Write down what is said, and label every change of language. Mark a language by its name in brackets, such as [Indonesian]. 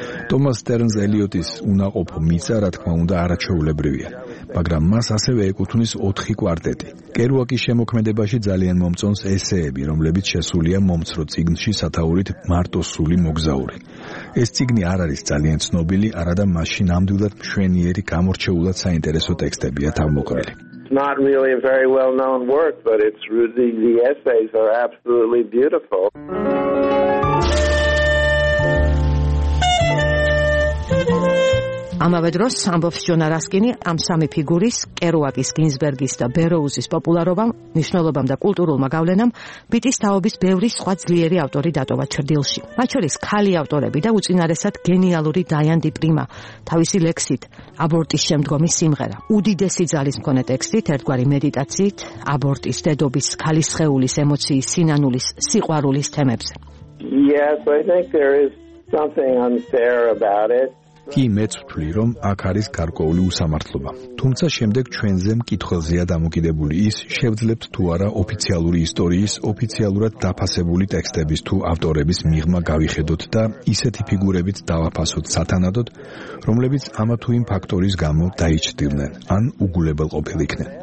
[Georgian] ტომას სტერნს ელიოტის უნაყოფო მიწა, რა თქმა უნდა, არაჩვეულებრივია, მაგრამ მას ასევე ეკუთვნის 4 კვარტეტი. კერუაკის შემოქმედებაში ძალიან მომწონს ესეები, რომლებიც შესულია მომცრო წიგნში სათაურით „მარტო სული მოგზაური“. ეს წიგნი არ არის ძალიან ცნობილი, არადა მასში ნამდვილად მშვენიერი გამორჩეულად საინტერესო ტექსტებია თავმოყრილი. [English] Not really a very well-known work, but it's really the essays are absolutely beautiful. [Georgian] ამავე დროს სამბოს ჯონა რასკინი ამ სამი ფიგურის, კერუაკის, გინზბერგის და ბეროუზის პოპულარობამ, მნიშვნელობამ და კულტურულმა გავლენამ ბიტის თაობის ბევრი სხვა ძლიერი ავტორი დატოვა ჩრდილში. მათ შორის ქალი ავტორები და უწინარესად გენიალური დაიან დი პრიმა, თავისი ლექსით „აბორტის შემდგომი სიმღერა“, უდიდესი ძალის მქონე ტექსტით, ერთგვარი მედიტაციით, აბორტის, დედობის, ქალის ხეულის, ემოციის, სინანულის, სიყვარულის თემებზე. [English] Yes, I think there is something unfair about it. [Georgian] კი, მეც ვთვლი, რომ აქ არის გარკვეული უსამართლობა. თუმცა შემდეგ ჩვენზე მკითხველზეა დამოკიდებული ის, შევძლებთ თუ არა ოფიციალური ისტორიის, ოფიციალურად დაფასებული ტექსტების თუ ავტორების მიღმა გავიხედოთ და ისეთი ფიგურებით დავაფასოთ სათანადოდ, რომლებიც ამა თუ იმ ფაქტორის გამო დაიჭდილნენ ან უგულებელ ყოფილიქნენ.